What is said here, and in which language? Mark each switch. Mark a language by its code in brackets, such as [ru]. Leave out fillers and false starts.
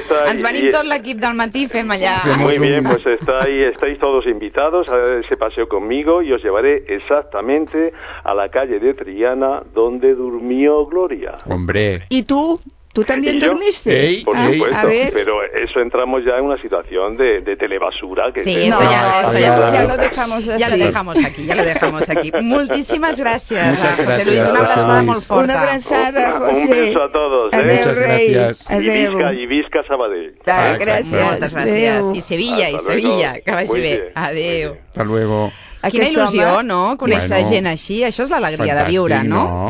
[ca] Ens venim tot l'equip del matí, fem allà. [es] Muy bien, pues estáis todos invitados a ese paseo conmigo y os llevaré exactamente a la calle de Triana donde durmió Gloria. Hombre. ¿Y tú? ¿Tú también dormiste? Sí, por supuesto. A ver. Pero eso entramos ya en una situación de telebasura. Que sí, no, ya, eso ya, ya lo dejamos así. Ya lo dejamos aquí, ya lo dejamos aquí. [ca] Moltíssimes gràcies, José Luis. Una abraçada molt forta. Una abraçada, José. [es] Un beso a todos. [ca] Adéu, Reis. Gràcies. Adéu. I visca Sabadell. Gràcies. Moltes gràcies. I Sevilla, [es] hasta [ca] i Sevilla. Luego. Que vagi bé. Adéu. [es] Hasta luego. [ca] Quina il·lusió, no?, conèixer bueno, gent així. Això és l'alegria de viure, no?